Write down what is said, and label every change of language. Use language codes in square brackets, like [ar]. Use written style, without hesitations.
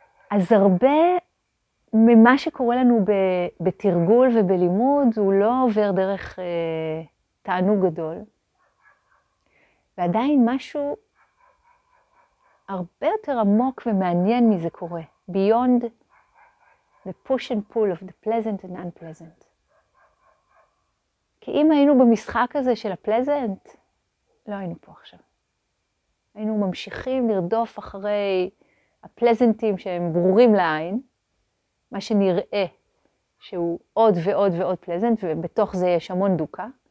[he] אז הרבה ממה שקורה לנו בתרגול ובלימוד, הוא לא עובר דרך תענוג גדול. ועדיין משהו הרבה יותר עמוק ומעניין מזה קורה. [en] Beyond the push and pull of the pleasant and unpleasant. [he] כי אם היינו במשחק הזה של הפלזנט, לא היינו פה עכשיו. היינו ממשיכים לרדוף אחרי הפלזנטים שהם ברורים לעין, מה שנראה שהוא עוד ועוד ועוד פלזנט, ובתוך זה יש המון דוקה.